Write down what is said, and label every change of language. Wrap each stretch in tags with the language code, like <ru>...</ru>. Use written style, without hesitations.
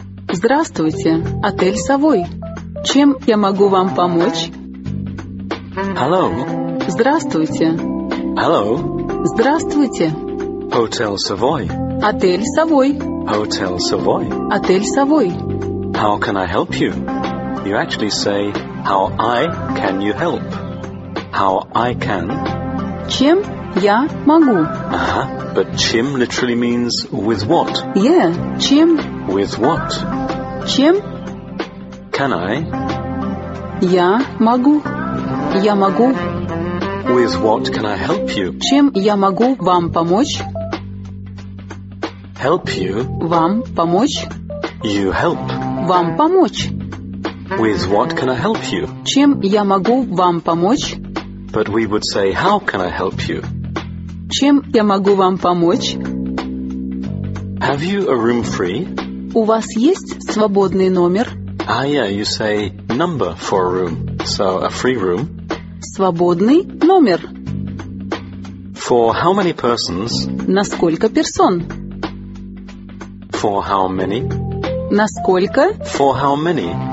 <ru>Здравствуйте, отель Savoy. Чем я могу вам помочь?</ru> <en>Hello.</en> <ru>Здравствуйте.</ru> <en>Hello.</en> <ru>Здравствуйте.</ru> <en>Hotel Savoy.</en> <ru>Отель Savoy.</ru> <en>Hotel Savoy.</en> <ru>Отель Savoy.</ru> <en>How can I help you? You actually say, how I can you help? How I can?</en> <ru>Чем я могу? Uh-huh.</ru> <en>But чем literally means with what?</en> <ru>Yeah. Чем?</ru> <en>With what?</en> <ru>Чем?</ru> <en>Can I?</en> <ru>Я могу. Я могу.</ru> <en>With what can I help you?</en> <ru>Чем я могу вам помочь?</ru> <en>Help you?</en> <ru>Вам помочь?</ru> <en>You help.</en> <ru>Вам помочь.</ru> <en>With what can I help you?</en> <ru>Чем я могу вам помочь?</ru> <en>But we would say, how can I help you?</en> <ru>Чем я могу вам помочь?</ru> <en>Have you a room free?</en> <ru>У вас есть свободный номер?</ru> <en>Ah, yeah, you say number for a room, so a free room.</en> <ru>Свободный номер.</ru> <en>For how many persons?</en> <ru>На сколько персон?</ru> <en>For how many?</en> <ru>На сколько?</ru> <en>For how many?</en>